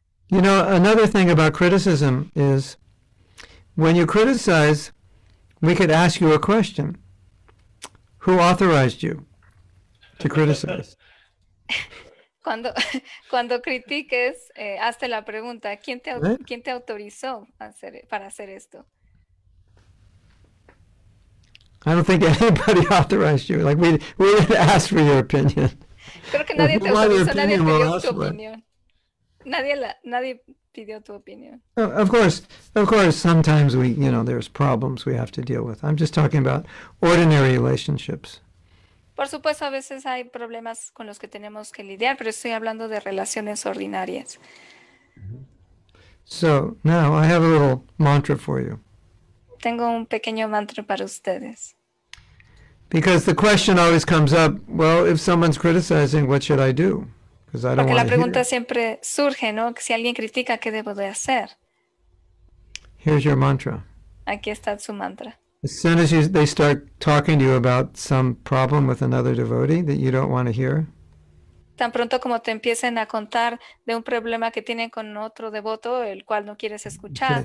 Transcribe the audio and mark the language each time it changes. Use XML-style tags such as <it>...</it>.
<en>You know, another thing about criticism is when you criticize, we could ask you a question. Who authorized you to criticize?</en> <es>Cuando critiques, hazte la pregunta, ¿quién te autorizó para hacer esto?</es> <en>I don't think anybody authorized you. Like we didn't ask for your opinion.</en> <es>Creo que nadie te autorizó, nadie pidió tu opinión. Nadie pidió tu opinión.</es> <en>Of course, sometimes we, you know, there's problems we have to deal with. I'm just talking about ordinary relationships.</en> <es>Por supuesto, a veces hay problemas con los que tenemos que lidiar, pero estoy hablando de relaciones ordinarias.</es> <en>So, now I have a little mantra for you.</en> <es>Tengo un pequeño mantra para ustedes.</es> <en>Because the question always comes up, well, if someone's criticizing, what should I do? Because I don't want to hear.</en> <es>Porque la pregunta siempre surge, ¿no? Si alguien critica, ¿qué debo de hacer?</es> <en>Here's your mantra.</en> <es>Aquí está su mantra.</es> <en>As soon as they start talking to you about some problem with another devotee that you don't want to hear.</en> <es>Tan pronto como te empiecen a contar de un problema que tienen con otro devoto, el cual no quieres escuchar.</es>